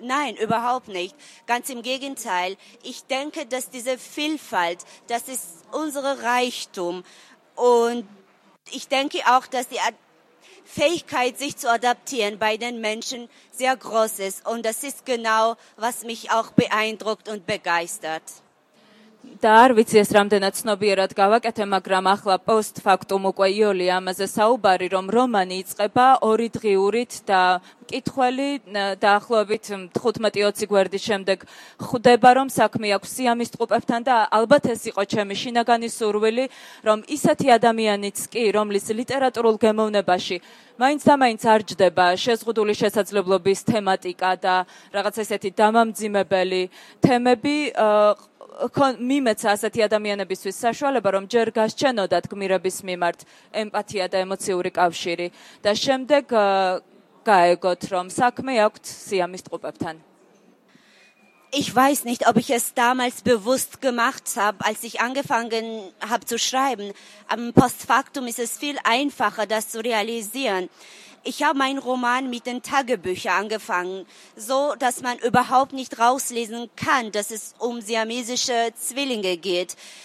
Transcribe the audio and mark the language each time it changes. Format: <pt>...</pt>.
<de>Nein, überhaupt nicht. Ganz im Gegenteil. Ich denke, dass diese Vielfalt, das ist unsere Reichtum. Und ich denke auch, dass die Fähigkeit, sich zu adaptieren bei den Menschen, sehr groß ist. Und das ist genau, was mich auch beeindruckt und begeistert.</de> <ka>Da არ ვიცი ეს რამდენად ცნობიერად გავაკეთე, მაგრამ ახლა post factum უკვე იოლი ამაზე საუბარი, რომ რომანი იწყება ორი დღიურით და მკითხველი დაახლოებით 15-20 გვერდის შემდეგ ხვდება, რომ საქმე აქვს სიამის ტყუპებთან და ალბათ ეს იყო ჩემი შინაგანი სურვილი, რომ ისეთი ადამიანიც კი, რომლის ლიტერატურულ გემოვნებაში მაინც და მაინც არ ჯდება შეზღუდული შესაძლებლობის თემატიკა და რაღაც ესეთი დამამძიმებელი თემები, მიმეცა ასეთი ადამიანებისთვის საშუალება, რომ ჯერ გასჩენოდათ გმირების მიმართ ემპათია და ემოციური კავშირი და შემდეგ გაეგოთ, რომ საქმე აქვთ სიამის ტყუპებთან.</ka> <de>Ich weiß nicht, ob ich es damals bewusst gemacht habe, als ich angefangen habe zu schreiben. Am Postfaktum ist es viel einfacher, das zu realisieren. Ich habe meinen Roman mit den Tagebüchern angefangen, so dass man überhaupt nicht rauslesen kann, dass es um siamesische Zwillinge geht.</de>